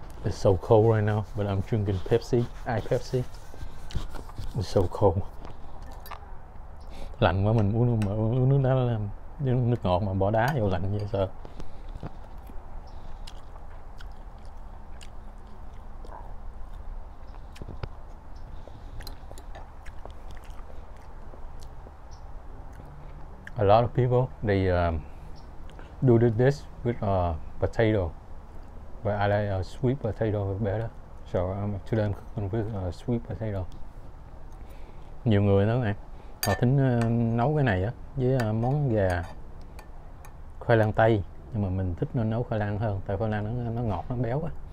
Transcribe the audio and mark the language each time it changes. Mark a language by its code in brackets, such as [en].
[en] So cold right now, but I'm drinking Pepsi, iPepsi. It's so cold. [vi] lạnh quá mình uống nước đá làm nước ngọt mà bỏ đá vô lạnh vậy sợ. [en] A lot of people they do this with potato, but I like sweet potato better. So today I'm cooking with sweet potato. [vi] Nhiều người đó này, họ thích nấu cái này á với món gà khoai lang tây, nhưng mà mình thích nó nấu khoai lang hơn, tại khoai lang nó ngọt nó béo quá.